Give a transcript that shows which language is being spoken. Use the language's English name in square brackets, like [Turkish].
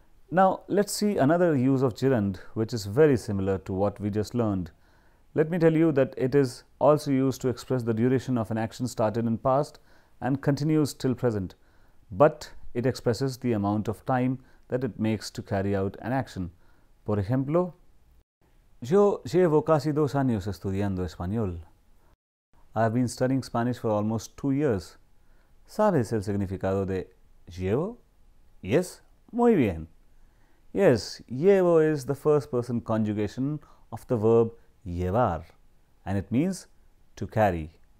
[English] Now, let's see another use of gerund, which is very similar to what we just learned. Let me tell you that it is also used to express the duration of an action started in past and continues till present, but it expresses the amount of time that it makes to carry out an action. [Spanish] Por ejemplo, yo llevo casi dos años estudiando español. [English] I have been studying Spanish for almost 2 years. [Spanish] ¿Sabes el significado de llevo? [English] Yes, muy bien. Yes, llevo is the first person conjugation of the verb llevar, and it means to carry.